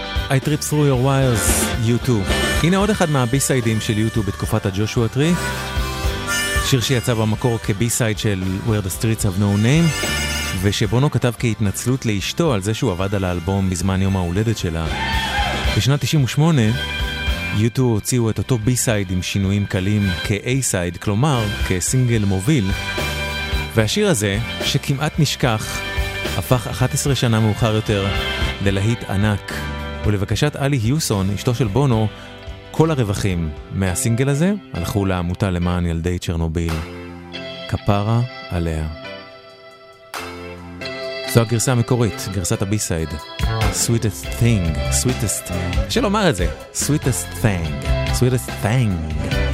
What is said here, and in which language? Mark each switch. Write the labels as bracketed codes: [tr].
[en] I trip through your wires, U2. [he] הנה עוד אחד מהבי-סיידים של U2 בתקופת הג'ושוע טרי. שיר שיצא במקור כבי-סייד של Where the Streets Have No Name, ושבונו כתב כהתנצלות לאשתו על זה שהוא עבד על האלבום בזמן יום ההולדת שלה. בשנת 98, U2 הוציאו את אותו בי-סייד עם שינויים קלים כ-A-סייד, כלומר, כסינגל מוביל. והשיר הזה, שכמעט נשכח, הפך 11 שנה מאוחר יותר ללהיט ענק. ולבקשת אלי היוסון, אשתו של בונו, כל הרווחים מהסינגל הזה הלכו לעמותה למען ילדי צ'רנוביל. כפרה עליה. זו הגרסה המקורית, גרסת הבי-סייד. [en] Sweetest thing, sweetest... [he] אפשר לומר את זה. [en] Sweetest thing, sweetest thing.